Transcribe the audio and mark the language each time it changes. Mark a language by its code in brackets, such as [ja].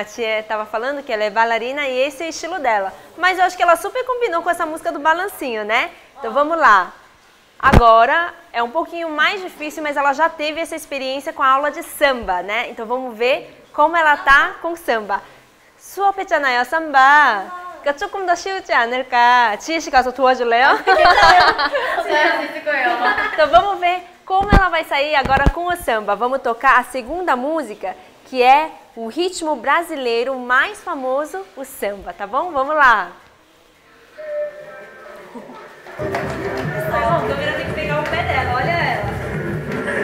[pt] A tia tava falando que ela é bailarina e esse é o estilo dela. Mas eu acho que ela super combinou com essa música do Balancinho, né? Então vamos lá. Agora é um pouquinho mais difícil, mas ela já teve essa experiência com a aula de samba, né? Então vamos ver. Como ela tá com samba? [ko] 수업했잖아요, samba. 그러니까 조금 더 쉬우지 않을까? 지혜 씨 가서 도와줄래요? 괜찮아요. [pt] então vamos ver como ela vai sair agora com o samba. Vamos tocar a segunda música, que é o ritmo brasileiro mais famoso, o samba, tá bom? Vamos lá. Ai, a câmera tem que pegar o pé dela, olha